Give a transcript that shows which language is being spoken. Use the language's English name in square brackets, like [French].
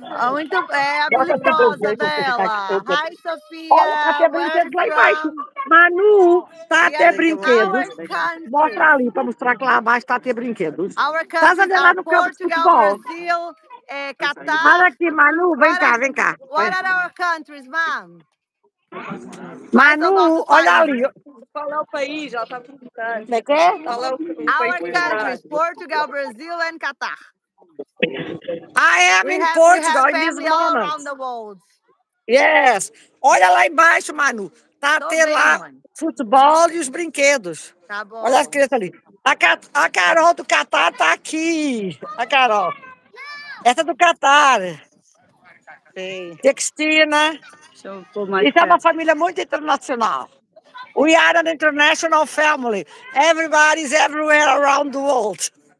[Portuguese] Muito é habilidosa, Bela. Ai, Sofia. Até brinquedo lá embaixo. Manu, tá até brinquedo. Mostra ali, pra mostrar que lá abaixo tá até brinquedo. Tá fazendo lá no campo de futebol. Brasil, é, Catar. Fala aqui, Manu, vem cá, vem cá. [English] What are our countries, ma'am? [Portuguese] Manu, olha ali. Qual é o país? Ela está perguntando. É que é? Qual é o país? [English] Our countries, Portugal, Brazil and Qatar. I am in Portugal, in this moment. Yes. [Portuguese] Olha lá embaixo, Manu. Tá até lá futebol e os brinquedos. Tá bom. Olha as crianças ali. A Carol do Qatar tá aqui. A Carol. Essa é do Qatar. Textina. Isso é uma família muito internacional. [English] We are an international family. Everybody's everywhere around the world.